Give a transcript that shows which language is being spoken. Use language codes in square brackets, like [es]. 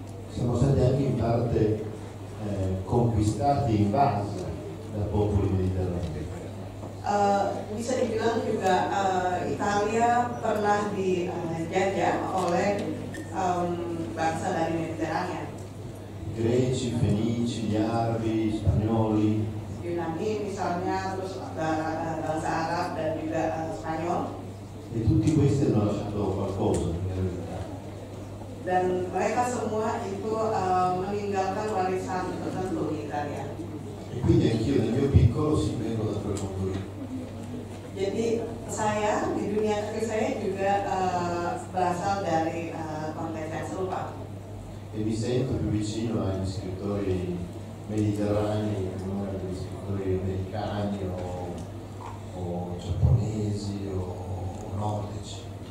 [it] Siamo stati in parte conquistati, invasi da popoli mediterranei. [id] Bisa dibilang juga Italia pernah dijajah oleh bangsa dari Mediterania. [it] Greci, Fenici, gli Arabi, Spagnoli. [id] Yunani misalnya, terus bangsa Arab dan juga Spanyol. [it] E tutti questi hanno lasciato qualcosa. [id] Dan mereka semua itu meninggalkan warisan tertentu di Italia. [it] E quindi anch'io nel mio piccolo si vengo da quel mondo lì. [id] Jadi saya di dunia kecil saya juga berasal dari konteks yang serupa. [it] E mi sento più vicino agli scrittori mediterranei, come agli scrittori americani o giapponesi o nordici.